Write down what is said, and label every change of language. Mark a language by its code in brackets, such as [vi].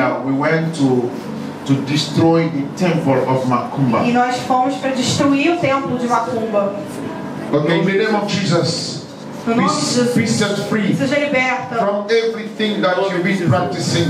[en] And we went to destroy the temple of Macumba. [pt] E nós fomos para destruir o templo de Macumba. [en] Okay, in the name of Jesus. Be set free. [pt] Seja liberta. [en] From everything that you've been practicing.